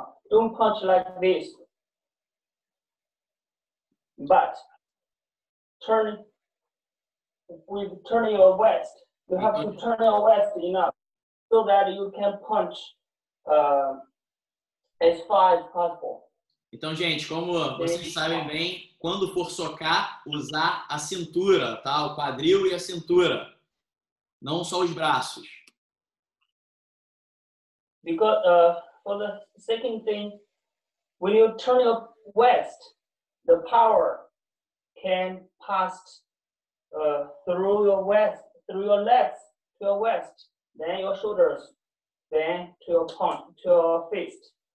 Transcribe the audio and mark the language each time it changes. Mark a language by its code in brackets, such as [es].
[en] Don't punch like this. But turn, with turning your waist, you have to turn your waist enough so that you can punch as far as possible. [pt] Então, gente, como vocês sabem bem, quando for socar, usar a cintura, tá? O quadril e a cintura, não só os braços. [en] Because for the second thing, when you turn your waist, the power can pass through your waist, through your legs, to your waist, then your shoulders, then to your palm, to your fist.